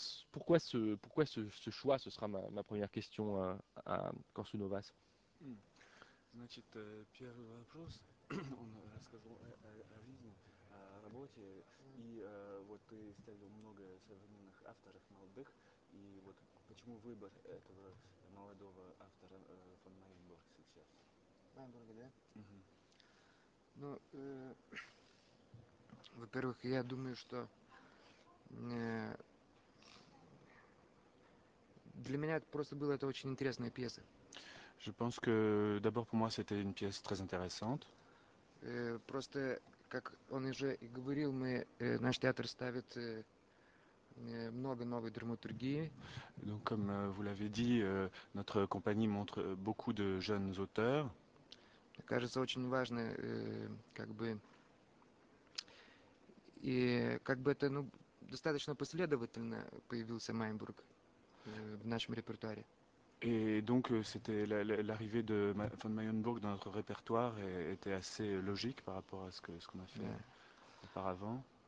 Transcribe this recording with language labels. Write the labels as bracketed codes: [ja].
[fr] Pourquoi ce choix? Ce sera ma première question à Korsunovas. [ru] Значит, первый вопрос, он рассказывал о жизни, о работе, и вот ты ставил много современных авторов молодых, и вот почему выбор этого молодого автора фон Майнбург сейчас? Майнбург, да? Угу. Ну, во-первых, я думаю, что для меня это просто была это очень интересная пьеса. [fr] Je pense que d'abord pour moi c'était une pièce très intéressante. [ru] Просто как он уже и говорил, наш театр ставит много новой драматургии. [fr] Donc comme vous l'avez dit, notre compagnie montre beaucoup de jeunes auteurs. [ru] Мне кажется очень важно, как бы это достаточно последовательно появился Майнбург в нашем репертуаре. [fr] Et donc, c'était l'arrivée de von Mayenburg dans notre répertoire était assez logique par rapport à ce qu'on a fait auparavant.